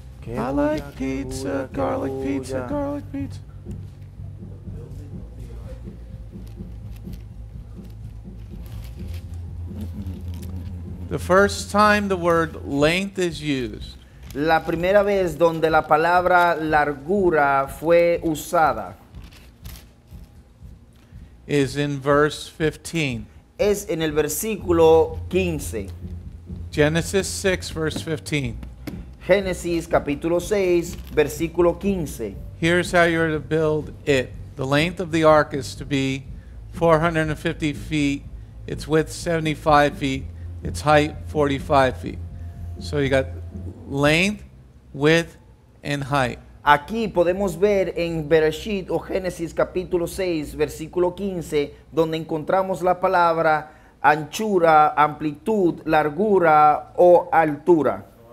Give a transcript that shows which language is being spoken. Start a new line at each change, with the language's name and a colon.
English: I like pizza, garlic pizza, garlic pizza. The first time the word length is used.
Spanish: La primera vez donde la palabra largura fue usada.
English: Is in verse 15.
Spanish: Es en el versículo 15.
English: Genesis 6, verse 15.
Spanish: Génesis capítulo 6, versículo 15.
English: Here's how you're to build it. The length of the ark is to be 450 feet, its width 75 feet, its height 45 feet. So you got length, width, and height.
Spanish: Aquí podemos ver en Bereshit o Génesis capítulo 6, versículo 15, donde encontramos la palabra anchura, amplitud, largura o altura.